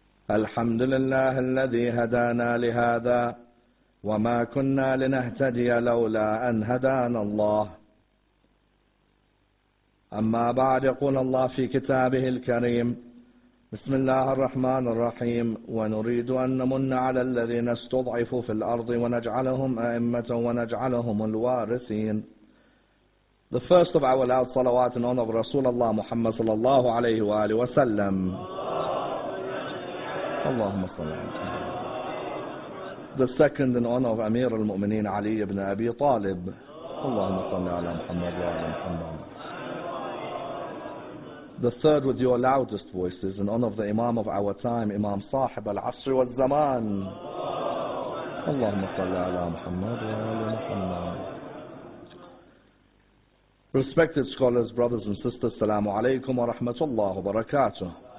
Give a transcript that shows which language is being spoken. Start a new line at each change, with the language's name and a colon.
Arabic: الحمد لله الذي هدانا لهذا وما كنا لنهتدي لولا أن هدانا الله. أما بعد، يقول الله في كتابه الكريم، بسم الله الرحمن الرحيم: ونريد أن نمن على الذين استضعفوا في الأرض ونجعلهم أئمة ونجعلهم الوارثين.
English: The first of our last salawat in honor of Rasulullah Muhammad
Arabic: صلى الله عليه وآله وسلم. اللهم صل على محمد.
English: The second in honor of Amir al-Mu'minin Ali ibn Abi Talib.
Arabic: اللهم صل على محمد وعلى محمد.
English: The third with your loudest voices, in honor of the Imam of our time, Imam Sahib al-Asr wal-Zaman.
Arabic: Allahumma salli ala Muhammad wa ala Muhammad.
English: Respected scholars, brothers and sisters,
Arabic: salamu alaykum wa rahmatullahi wa barakatuh.